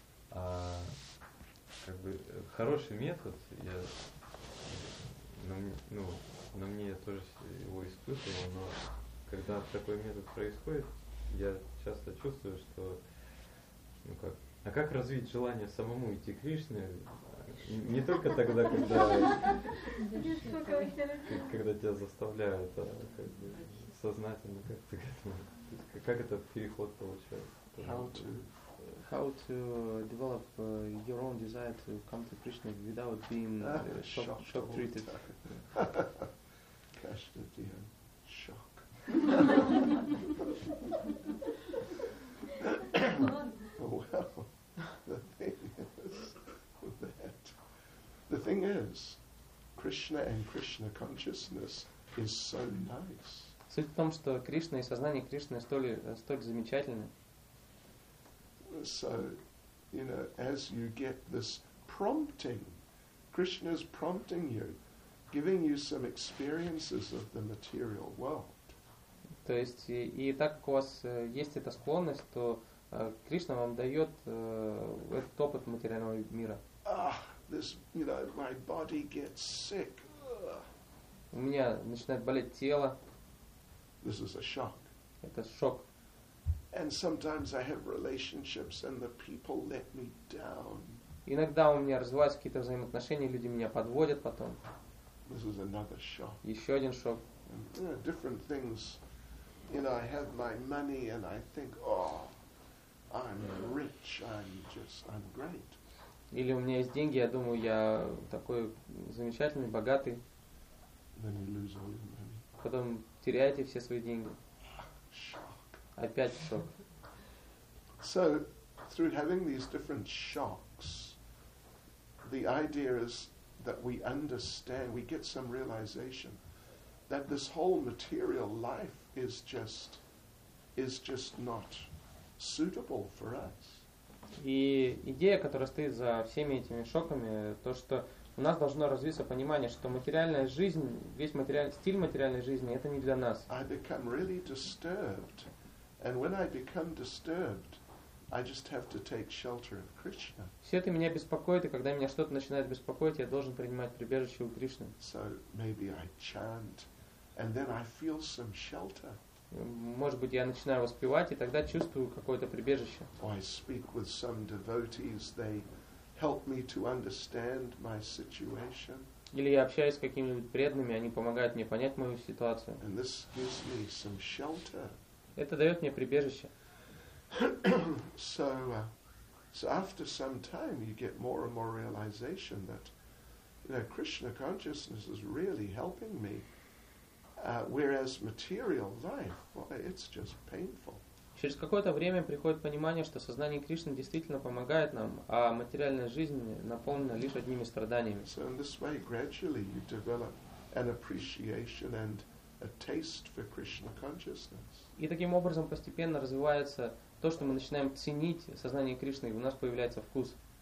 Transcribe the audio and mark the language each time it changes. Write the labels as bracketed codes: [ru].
[ru] А как бы хороший метод, но мне я тоже его испытывал, но когда такой метод происходит, я часто чувствую, что как развить желание самому идти к Кришне, не только тогда, когда тебя заставляют, а как бы сознательно как-то к этому. Как это переход получается? [en] How to develop your own desire to come to Krishna without being shock treated? Krishna dear, shock. Well, the thing is, Krishna and Krishna consciousness is so nice. [ru] Суть в том, что Кришна и сознание Кришны столь замечательны. [en] So, you know, as you get this prompting, Krishna's prompting you, giving you some experiences of the material world. [ru] То есть, и так как у вас есть эта склонность, то Кришна вам дает этот опыт материального мира. [en] Ah, this, you know, my body gets sick. [ru] У меня начинает болеть тело. [en] This is a shock. [ru] Это шок. [en] And sometimes I have relationships and the people let me down. [ru] Иногда у меня развиваются какие-то взаимоотношения, люди меня подводят потом. [en] This is another shock. [ru] Еще один шок. [en] You know, different things. You know, I have my money and I think, oh, I'm rich, I'm great. [ru] Или у меня есть деньги, я думаю, я такой замечательный, богатый. [en] Then you lose all your money. [ru] Потом теряете все свои деньги. Опять шок. [en] So, through having these different shocks, the idea is that we understand, we get some realization that this whole material life is just not suitable for us. [ru] И идея, которая стоит за всеми этими шоками, то, что у нас должно развиться понимание, что материальная жизнь, весь стиль материальной жизни, это не для нас. [en] I become really disturbed. And when I become disturbed, I just have to take shelter of Krishna. [ru] Все это меня беспокоит, и когда меня что-то начинает беспокоить, я должен принимать прибежище у Кришны. [en] So maybe I chant, and then I feel some shelter. [ru] Может быть, я начинаю воспевать, и тогда чувствую какое-то прибежище. [en] Or I speak with some devotees, they help me to understand my situation. [ru] Или я общаюсь с какими-нибудь преданными, они помогают мне понять мою ситуацию. [en] And this gives me some shelter. [ru] Это дает мне прибежище. [en] So after some time you get more and more realization that, you know, Krishna consciousness is really helping me, whereas material life, well, it's just painful. [ru] Через какое-то время приходит понимание, что сознание Кришны действительно помогает нам, а материальная жизнь наполнена лишь одними страданиями. [en] So in this way gradually you develop an appreciation and a taste for Krishna consciousness. [ru] И таким образом постепенно развивается то, что мы начинаем ценить сознание Кришны, и у нас появляется вкус.